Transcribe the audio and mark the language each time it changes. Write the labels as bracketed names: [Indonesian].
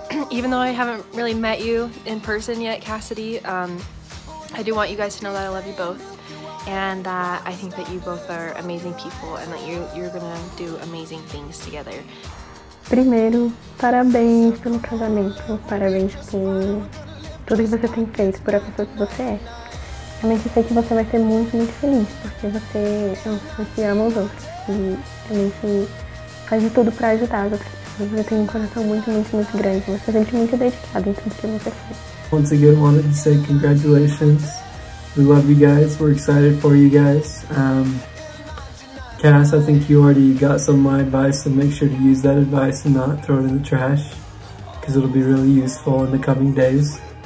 [English] Even though I haven't really met you in person yet, Cassidy, I do want you guys to know that I love you both and that I think that you both are amazing people and that you're gonna do amazing things together. [Portuguese] Primeiro, parabéns pelo casamento, parabéns por tudo que você tem feito, por a pessoa que você é. Realmente sei que você vai ser muito, muito feliz, porque você, você ama os outros e realmente faz de tudo para ajudar as outras pessoas. Você tem um coração muito, muito, muito grande, você se sente muito dedicado em tudo que você faz. [English] Once again, wanted to say congratulations. We love you guys, we're excited for you guys. Cass, I think you already got some of my advice, so make sure to use that advice and not throw it in the trash, because it'll be really useful in the coming days.